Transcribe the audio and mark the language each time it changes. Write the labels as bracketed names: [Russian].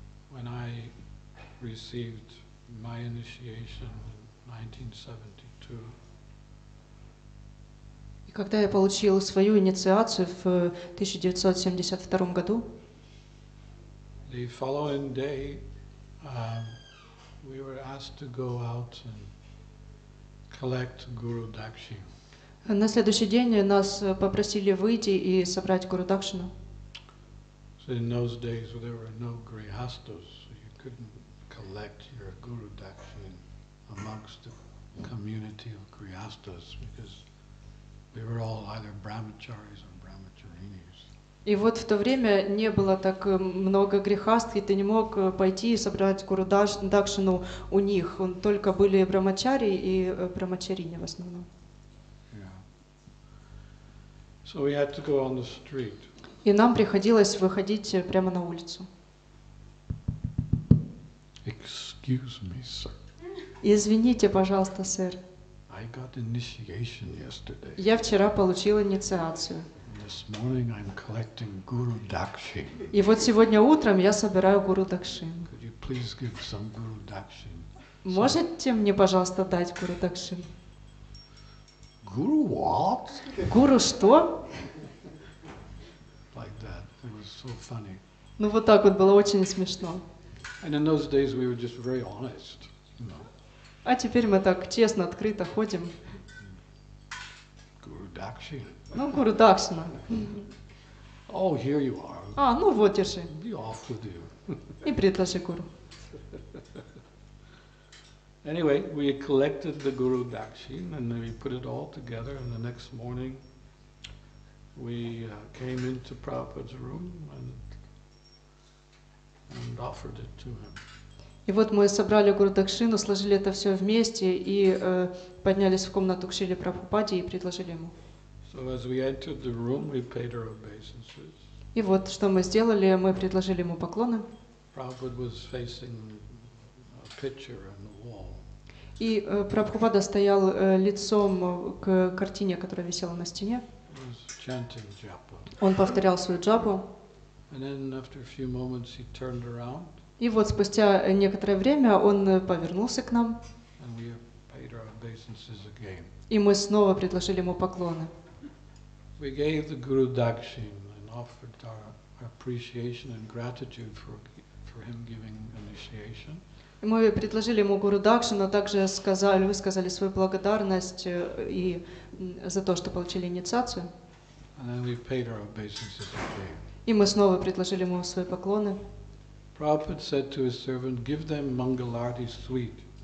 [English] When I received my initiation in 1972, [Russian] и когда я получил свою инициацию в 1972 году, [English] the following day, we were asked to go out and collect Guru Dakshina. [Russian] На следующий день нас попросили выйти и собрать Guru Dakshina. [English] So in those days there were no grihasthas, so you couldn't collect your Guru Dakshina amongst the community of grihasthas because we were all either brahmacharis or brahmacharinis. [Russian] И вот в то время не было так много грехаств, и ты не мог пойти и собрать Гуру Дакшину у них. Он только были брамачари и брамачарини в основном. [English] Yeah. So we had to go on the street. [Russian] И нам приходилось выходить прямо на улицу. [English] Excuse me, sir. [Russian] Извините, пожалуйста, сэр. [English] I got initiation yesterday. [Russian] Я вчера получил инициацию. [English] This morning I'm collecting Guru Dakshin. [Russian] И вот сегодня утром я собираю Guru Dakshin. [English] Could you please give some Guru Dakshin? [Russian] Можете мне, пожалуйста, дать Guru Dakshin? [English] Guru what? [Russian] Guru что? [English] Like that. It was so funny. [Russian] Ну вот так вот, было очень смешно. [English] And in those days we were just very honest, you know. [Russian] А теперь мы так честно, открыто ходим. [English] Guru Dakshin. [Russian] Ну, Гуру Дакшина. [English] Oh, here you are. [Russian] А, ну вот, держи. [English] Be off with you. [Russian] И предложи Гуру. [English] Anyway, we collected the Guru Dakshin and then we put it all together and the next morning we came into Prabhupada's room and offered it to him. [Russian] И вот мы собрали Гуру Дакшину, сложили это все вместе и поднялись в комнату к Шриле Прабхупаде и предложили ему. [English] So as we entered the room, we paid our obeisances. [Russian] И вот что мы сделали, мы предложили ему поклоны. [English] Prabhupada was facing a picture on the wall. [Russian] И Прабхупада стоял лицом к картине, которая висела на стене. [English] He was chanting japa. [Russian] Он повторял свою джапу. [English] And then after a few moments, he turned around. [Russian] И вот спустя некоторое время он повернулся к нам. [English] And we paid our obeisances again. [Russian] И мы снова предложили ему поклоны. [English] We gave the Guru Dakshin and offered our appreciation and gratitude for him giving initiation. [Russian] Мы предложили ему Гуру Дакшину, но также сказали, высказали свою благодарность и за то, что получили инициацию. [English] And then we paid our obeisances again. [Russian] И мы снова предложили ему свои поклоны. [English] Prabhupada said to his servant, "Give them Mangalarti sweet."